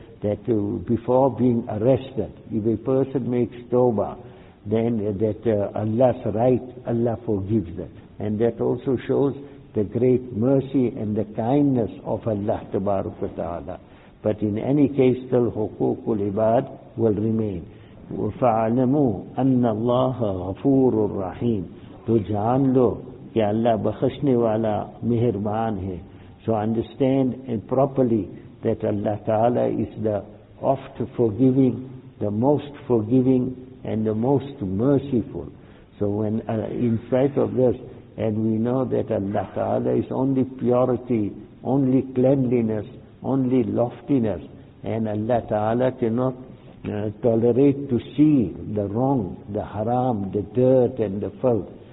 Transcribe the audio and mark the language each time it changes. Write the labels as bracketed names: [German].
[English] That before being arrested, if a person makes tawbah, then that Allah's right, Allah forgives them. And that also shows the great mercy and the kindness of Allah Tabaruk wa Ta'ala. But in any case, still huququl ibad will remain. [Arabic] فاعلموا ان الله غفور رحيم. [Urdu] تو جان لو کہ اللہ بخشنے والا مہربان ہے. [English] So understand properly that Allah Ta'ala is the oft forgiving, the most forgiving and the most merciful. So when in sight of this, and we know that Allah Ta'ala is only purity, only cleanliness, only loftiness, and Allah Ta'ala cannot tolerate to see the wrong, the haram, the dirt and the filth.